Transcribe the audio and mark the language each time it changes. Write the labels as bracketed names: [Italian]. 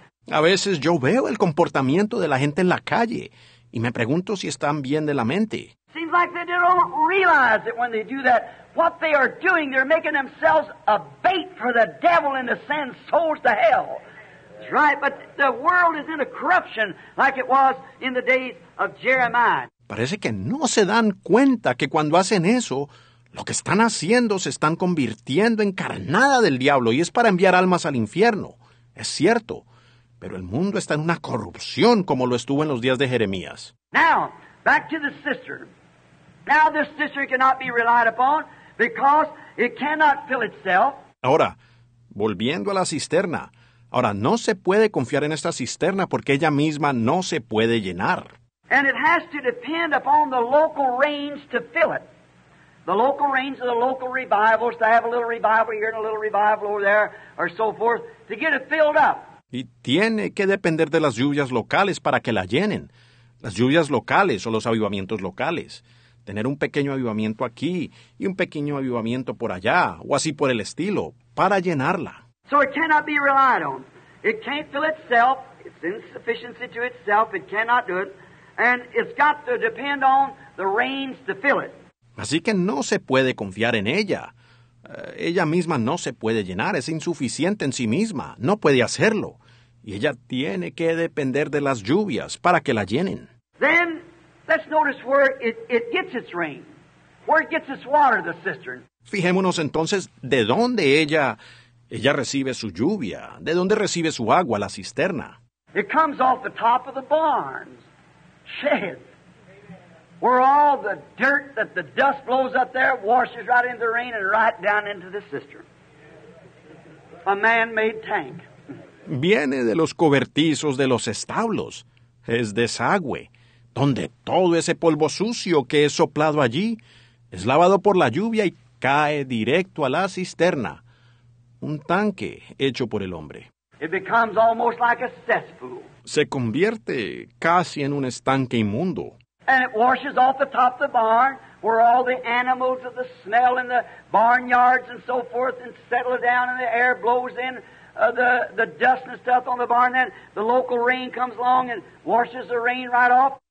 [Spanish] A veces yo veo el comportamiento de la gente en la calle y me pregunto si están bien de la mente. [English] Seems like they don't realize that when they do that, what they are doing, they're making themselves a bait for the devil and to send souls to hell. Right, but the world is in a corruption like it was in the days of Jeremiah. [Spanish] Parece que no se dan cuenta que cuando hacen eso, lo que están haciendo se están convirtiendo en carnada del diablo y es para enviar almas al infierno. Es cierto, pero el mundo está en una corrupción como lo estuvo en los días de Jeremías. [English] Now, back to the sister. Now this sister cannot be relied upon because it cannot fill itself. [Spanish] Ahora, volviendo a la cisterna. Ahora, no se puede confiar en esta cisterna porque ella misma no se puede llenar. [English] And it has to depend upon the local rains to fill it. The local rains of the local revivals, to have a little revival here and a little revival over there, or so forth, to get it filled up. [Spanish] Y tiene que depender de las lluvias locales para que la llenen. Las lluvias locales o los avivamientos locales. Tener un pequeño avivamiento aquí y un pequeño avivamiento por allá, o así por el estilo, para llenarla. [English] So it cannot be relied on. It can't fill itself. It's insufficiency to itself. It cannot do it. And it's got to depend on the rains to fill it. [Spanish] Así que no se puede confiar en ella. Ella misma no se puede llenar, es insuficiente en sí misma, no puede hacerlo. Y ella tiene que depender de las lluvias para que la llenen. [English] Then, let's notice where it gets its rain, where it gets its water, the cistern. [Spanish] Fijémonos entonces de dónde ella recibe su lluvia, de dónde recibe su agua, la cisterna. [English] It comes off the top of the barns, shed. Where all the dirt that the dust blows up there washes right into the rain and right down into the cistern. A man-made tank. [Spanish] Viene de los cobertizos de los establos. Es desagüe, donde todo ese polvo sucio que es soplado allí es lavado por la lluvia y cae directo a la cisterna. Un tanque hecho por el hombre. [English] It becomes almost like a cesspool. [Spanish] Se convierte casi en un estanque inmundo. [English] And it washes off the top of the barn, where all the animals of the smell in the barnyards and so forth and settle down, and the air blows in the dust and stuff on the barn. Then the local rain comes along and washes the rain right off.